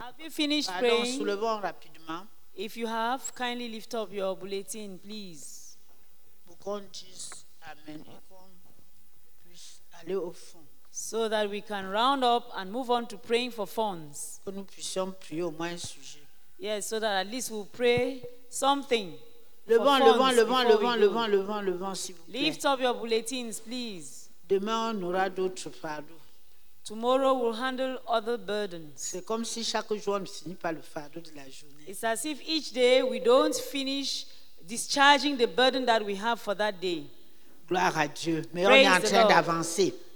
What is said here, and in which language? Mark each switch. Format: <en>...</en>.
<en>Finish praying.</en> <fr>Pardon, soulevons rapidement.</fr> <en>If you have, kindly lift up your bulletin, please.</en> <fr>Pour qu'on dise amen et qu'on puisse aller au fond.</fr> <en>So that we can round up and move on to praying for funds.</en> <fr>Que nous puissions prier au moins un sujet.</fr> <en>Yes, so that at least we'll pray something.</en> <fr>Levant, s'il vous plaît.</fr> <en>Lift up your bulletins, please.</en> <fr>Demain, on aura d'autres fardeaux.</fr> <en>Tomorrow we'll handle other burdens.</en> <fr>C'est comme si chaque jour on ne finit pas le fardeau de la journée.</fr> <en>It's as if each day we don't finish discharging the burden that we have for that day.</en> <fr>Gloire à Dieu, mais praise on est en train d'avancer.</fr>